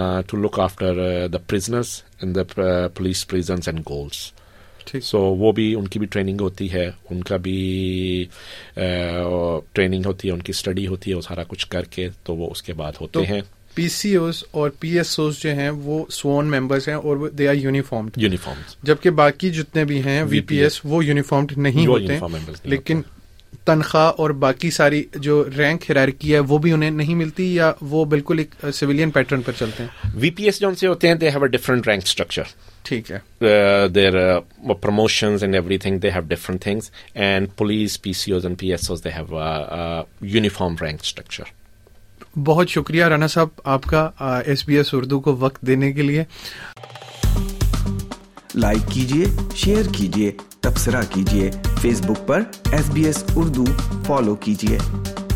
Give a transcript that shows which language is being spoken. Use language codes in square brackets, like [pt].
[en] To look after the prisoners in the police prisons and goals. [ur] سو وہ بھی ان کی بھی ٹریننگ ہوتی ہے, ان کا بھی ٹریننگ ہوتی ہے, ان کی اسٹڈی ہوتی ہے, وہ سارا کچھ کر کے تو وہ اس کے بعد ہوتے ہیں. پی سی اوز اور پی ایس اوز جو ہیں وہ سوون ممبرس ہیں اور [en] they are uniformed, [ur] جبکہ باقی جتنے بھی ہیں وی پی ایس وہ یونیفارمڈ نہیں ہوتے, لیکن تنخواہ اور باقی ساری جو رینک ہیرارکی ہے وہ بھی انہیں نہیں ملتی, یا وہ بالکل ایک سویلین پیٹرن پر چلتے ہیں. [en] V P S [ur] جو ان سے ہوتے ہیں [en] they have a different rank structure, [ur] ٹھیک ہے, [en] Their promotions and everything they have different things, and police P C Os and P S Os they have uniform rank structure. [ur] بہت شکریہ رانا صاحب آپ کا ایس بی ایس اردو کو وقت دینے کے لیے. لائک کیجیے, شیئر کیجیے, تبصرہ کیجیے, فیس بک پر S B S Urdu follow کیجیے.